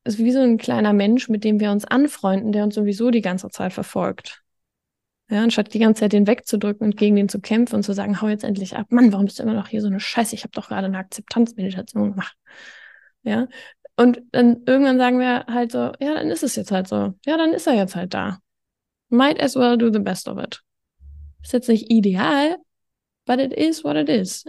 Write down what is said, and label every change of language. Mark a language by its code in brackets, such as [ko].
[de] Es ist wie so ein kleiner Mensch, mit dem wir uns anfreunden, der uns sowieso die ganze Zeit verfolgt. Ja, anstatt die ganze Zeit den wegzudrücken und gegen den zu kämpfen und zu sagen, hau jetzt endlich ab. Mann, warum bist du immer noch hier so eine Scheiße? Ich habe doch gerade eine Akzeptanzmeditation gemacht. Ja. Und dann irgendwann sagen wir halt so, ja, dann ist es jetzt halt so. Ja, dann ist er jetzt halt da. [en] Might as well do the best of it. [de] Ist jetzt nicht ideal, [en] but it is what it is.